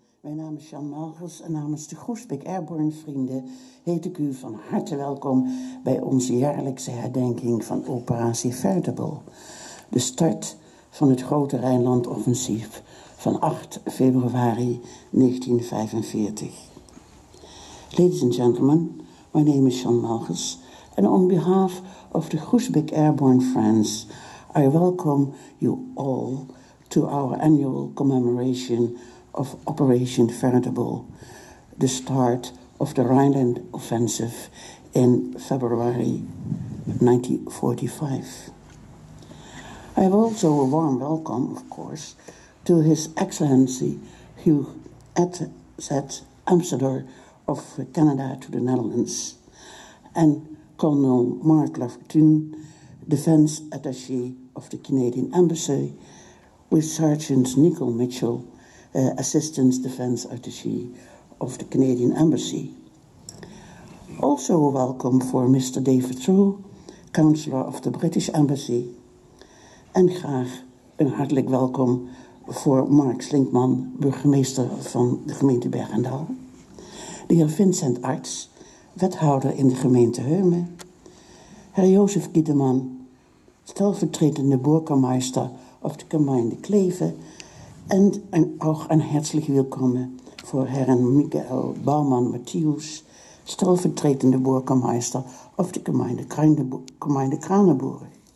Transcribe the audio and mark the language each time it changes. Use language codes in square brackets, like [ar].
[nl] Mijn naam is Jan Malgers en namens de Groesbeek Airborne vrienden heet ik u van harte welkom bij onze jaarlijkse herdenking van operatie Veritable. De start van het grote Rijnland offensief van 8 februari 1945. [en] Ladies and gentlemen, my name is Jan Malgers and on behalf of the Groesbeek Airborne Friends, I welcome you all to our annual commemoration of Operation Veritable, the start of the Rhineland Offensive in February 1945. I have also a warm welcome, of course, to His Excellency Hugh Attzett, Ambassador of Canada to the Netherlands, and Colonel Mark Lafortune, Defense Attaché of the Canadian Embassy, with Sergeant Nicole Mitchell, Assistant Defense Attaché of the Canadian Embassy. Also a welcome for Mr. David True, Counselor of the British Embassy, and [nl] graag een hartelijk welkom voor Mark Slinkman, burgemeester van de gemeente Bergendal, de heer Vincent Arts, wethouder in de gemeente Heumen, heer Jozef Kieteman, stellvertretende burgemeester op de gemeente Kleve, en ook een hartelijk welkom voor heren Michael Bouwman Matthews, stellvertretende burgemeester op de gemeente Kranenburg.